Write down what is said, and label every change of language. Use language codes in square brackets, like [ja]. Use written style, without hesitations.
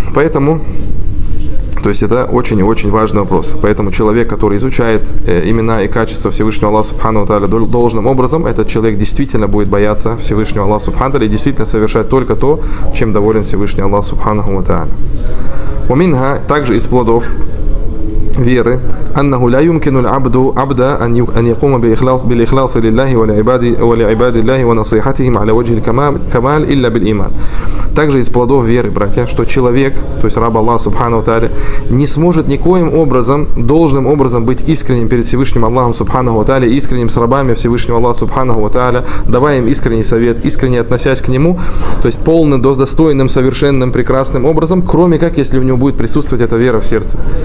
[ru] Поэтому, то есть это очень и очень важный вопрос. Поэтому человек, который изучает имена и качества Всевышнего Аллаха Субхану ва Тааля должным образом, этот человек действительно будет бояться Всевышнего Аллаха Субхану ва Тааля и действительно совершать только то, чем доволен Всевышний Аллах Субхану ва Тааля. Уминга, также из плодов, веры, [ar] أنه لا يمكن العبد عبدا أن يقوم بإخلاص بالإخلاص لله ولعباد ولعباد الله ونصيحتهم على وجه الكمال إلا بالإيمان. [ru] Также из плодов веры, братья, что человек, то есть раб Аллаха Субханаху Тааля, не сможет никоим образом, должным образом быть искренним перед Всевышним Аллахом Субханаху Тааля, искренним с рабами Всевышнего Аллаха Субханаху Тааля, давая им искренний совет, искренне относясь к нему, то есть полным, достойным, совершенным, прекрасным образом, кроме как, если у него будет присутствовать эта вера в сердце.